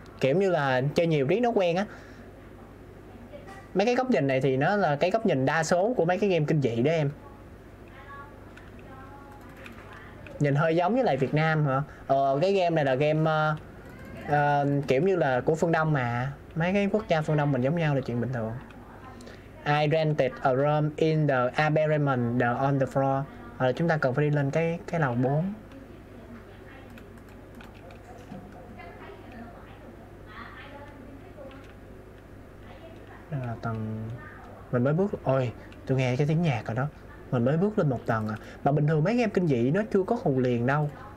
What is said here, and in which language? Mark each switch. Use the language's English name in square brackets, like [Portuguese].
[Vietnamese] Kiểu như là chơi nhiều riết nó quen á. Mấy cái góc nhìn này thì nó là cái góc nhìn đa số của mấy cái game kinh dị đó em. Nhìn hơi giống với lại Việt Nam hả? Cái game này là game kiểu như là của phương Đông mà. Mấy cái quốc gia phương Đông mình giống nhau là chuyện bình thường. [English] I rented a room in the apartment, the on the floor. [Vietnamese] Hoặc là chúng ta cần phải đi lên cái lầu 4. Đây là tầng mình mới bước. Ôi, tôi nghe cái tiếng nhạc rồi đó. Mình mới bước lên một tầng à. Mà bình thường mấy game kinh dị nó chưa có hù liền đâu.